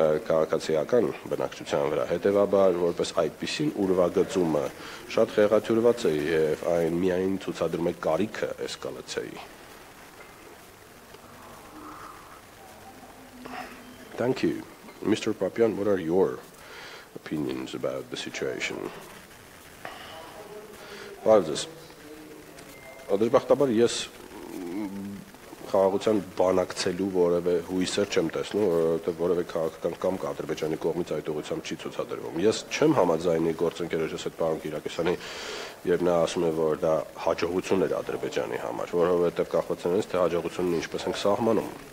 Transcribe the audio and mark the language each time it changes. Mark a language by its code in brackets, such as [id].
[hy] քաղաքացիական բնակչության վրա, հետևաբար որպես այդպիսին ուրվագծումը շատ խեղաթյուրված է և այն միայն ցուցադրում է կարիքը էսկալացիայի։ [en] Thank you. Mr. Papian, what are your opinions about the situation? Well, this. [hy] Ադրբախտաբար ես խաղաղության բանակցելու որևէ հույսեր չեմ տեսնում, որովհետև որևէ քաղաքական կամ Ադրբեջանի կողմից այդ ուղղությամբ չի ցուցադրվում։ Ես չեմ համաձայնի գործընկերոջս հետ պարոն Կիրակեսյանի, երբ նա ասում է, որ դա հաջողություն էր Ադրբեջանի համար, որովհետև կախված են թե հաջողությունն ինչպես ենք սահմանում։